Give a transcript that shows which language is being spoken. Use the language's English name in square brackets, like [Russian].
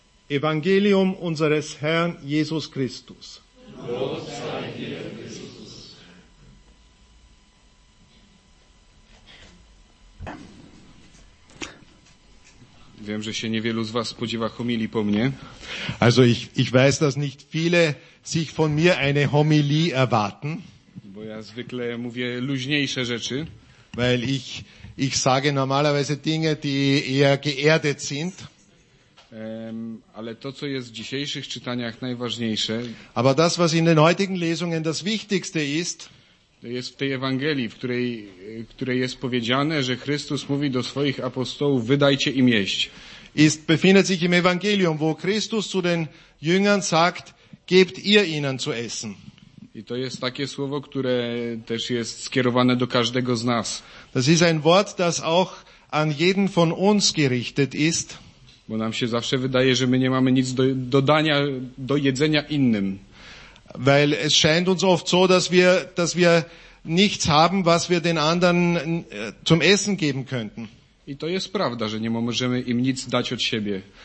[German] Evangelium unseres Herrn Jesus Christus. Lob sei dir, Jesus. [Polish] Wiem, że się niewielu z was spodziewa homilii po mnie. [German] Also ich weiß, dass nicht viele sich von mir eine Homilie erwarten. [Polish] Bo ja zwykle mówię luźniejsze rzeczy. [German] Weil ich sage normalerweise Dinge, die eher geerdet sind. [Polish] Ale to, co jest w dzisiejszych czytaniach najważniejsze. [German] Aber das, was in den heutigen Lesungen das Wichtigste ist. [Polish] To jest w tej Ewangelii, w której jest powiedziane, że Chrystus mówi do swoich apostołów: wydajcie im jeść. [German] Ist befindet sich im Evangelium, wo Christus zu den Jüngern sagt: gebt ihr ihnen zu essen. [Polish] I to jest takie słowo, które też jest skierowane do każdego z nas. [German] Das ist ein Wort, das auch an jeden von uns gerichtet ist. [Polish] Bo nam się zawsze wydaje, że my nie mamy nic do dodania, do jedzenia innym. [German] Weil es scheint uns oft so, dass wir nichts haben, was wir den anderen zum Essen geben könnten. [Polish] I to jest prawda, że nie możemy im nic dać od siebie.